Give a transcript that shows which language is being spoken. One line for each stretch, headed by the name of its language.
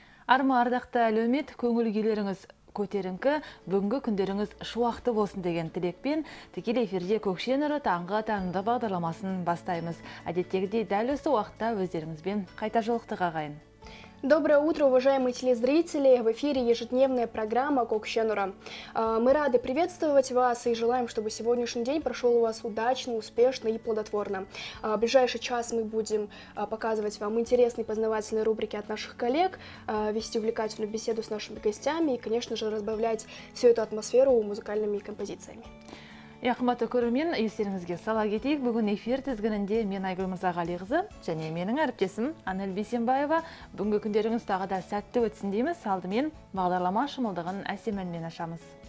Kazakh: Арма ардақты әлеумет, көңілгелеріңіз көтеріңкі, бүгінгі күндеріңіз шуақты болсын деген тілекпен тікелей эфирде Көкшенұры таңғы атанды бағдарламасын бастаймыз. Әдеттегідей дәл осы уақытта өздеріңізбен қайта жолықтық, ағайын.
Russian: Доброе утро, уважаемые телезрители! В эфире ежедневная программа «Кокшенура». Мы рады приветствовать вас и желаем, чтобы сегодняшний день прошел у вас удачно, успешно и плодотворно. В ближайший час мы будем показывать вам интересные познавательные рубрики от наших коллег, вести увлекательную беседу с нашими гостями и, конечно же, разбавлять всю эту атмосферу музыкальными композициями.
Kazakh: Я құрметті көрермен, естеріңізге сала кетейік, бүгін эфир тізгінінде мен Айгүл Мырзағалиқызы және менің әріптесім Анель Бейсенбаева. Бүгінгі күндеріңіз тағы да сәтті өтсін дейміз. Алдымен бағдарлама шымылдығын әсем әнмен ашамыз.